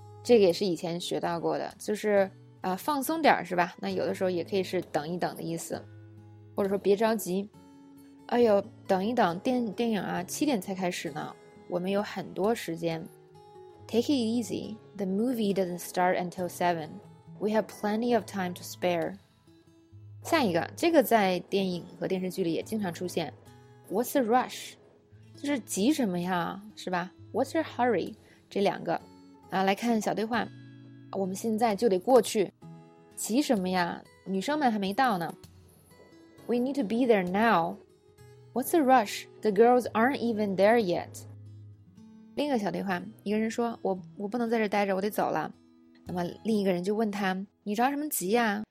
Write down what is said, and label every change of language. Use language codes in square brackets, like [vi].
[zh] 这个也是以前学到过的，就是啊，放松点是吧？那有的时候也可以是等一等的意思，或者说别着急。哎呦，等一等，电影啊，7点才开始呢，我们有很多时间。 [en] Take it easy. The movie doesn't start until 7. We have plenty of time to spare. [zh] 下一个，这个在电影和电视剧里也经常出现。 What's the rush? 就是急什么呀，是吧 ？ What's your hurry? 这两个啊，来看小对话。我们现在就得过去。急什么呀？ [en] 女生们还没到呢。 We need to be there now. What's the rush? The girls aren't even there yet. [zh] 另一个小对话，一个人说，我不能在这待着，我得走了。那么另一个人就问他，你着什么急呀？